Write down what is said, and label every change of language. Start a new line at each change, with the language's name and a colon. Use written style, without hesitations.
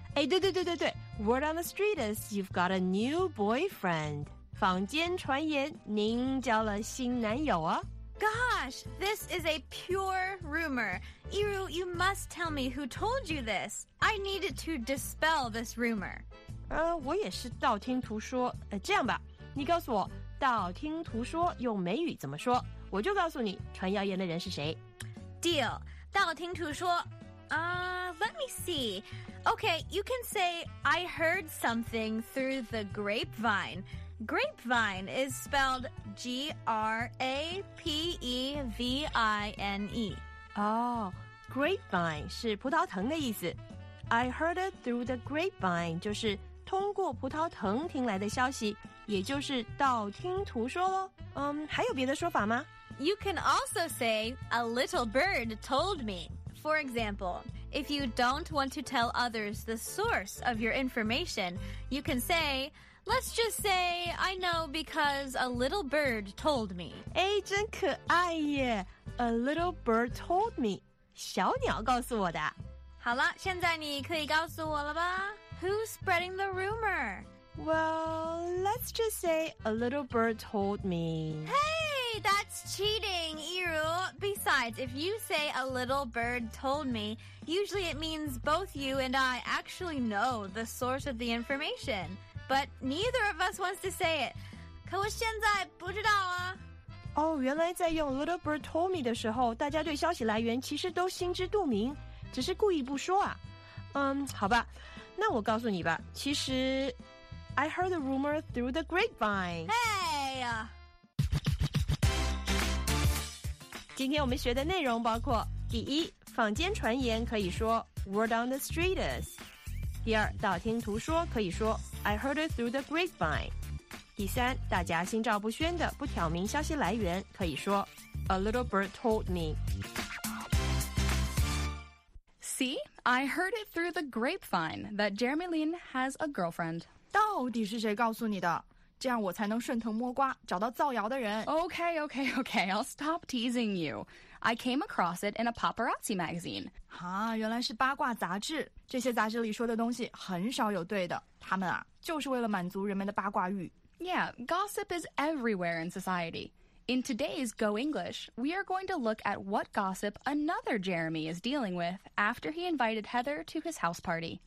Chinese: 哎，对对对对对，
English: word on the street is you've got a new boyfriend.
Chinese: 坊间传言您交了新男友啊。
English: Gosh, this is a pure rumor. Iru, you must tell me who told you this. I needed to dispel this rumor.
Chinese: 我也是道听途说。这样吧，你告诉我道听途说用美语怎么说，我就告诉你传谣言的人是谁。
English: Deal.
Chinese: 道听途说。
English: Let me see. Okay, you can say I heard something through the grapevine. Grapevine is spelled G-R-A-P-E-V-I-N-E.
Chinese: Oh, grapevine 是葡萄藤的意思。
English: I heard it through the grapevine
Chinese: 就是通过葡萄藤听来的消息，也就是道听途说咯。还有别的说法吗？
English: You can also say a little bird told me. For example, if you don't want to tell others the source of your information, you can say, let's just say I know because a little bird told me.
Chinese: 哎，真可爱耶。
English: A little bird told me.
Chinese: 小鸟告诉我的。好了，现在你可以告诉我了吧？
English: Who's spreading the rumor? Well, let's just say a little bird told me. Hey, that's cheating, Iru. Besides, if you say a little bird told me, usually it means both you and I actually know the source of the information. But neither of us wants to say it.
Chinese: 可我现在不知道啊。哦，原来在用
English: little bird told me
Chinese: 的时候，大家对消息来源其实都心知肚明。只是故意不说啊，好吧，那我告诉你吧。其实
English: ，I heard the rumor through the grapevine。
Chinese: 哎呀，今天我们学的内容包括：第一，坊间传言可以说
English: word on the street is；
Chinese: 第二，道听途说可以说
English: I heard it through the grapevine；
Chinese: 第三，大家心照不宣的不挑明消息来源可以说
English: a little bird told me。 See, I heard it through the grapevine that Jeremy Lin has a girlfriend.
Chinese: 到底是谁告诉你的？这样我才能顺藤摸瓜，找到造谣的人。
English: Okay, okay, okay, I'll stop teasing you. I came across it in a paparazzi magazine.
Chinese: 啊，原来是八卦杂志。这些杂志里说的东西很少有对的。他们啊，就是为了满足人们的八卦欲。
English: Yeah, gossip is everywhere in society. In today's Go English, we are going to look at what gossip another Jeremy is dealing with after he invited Heather to his house party.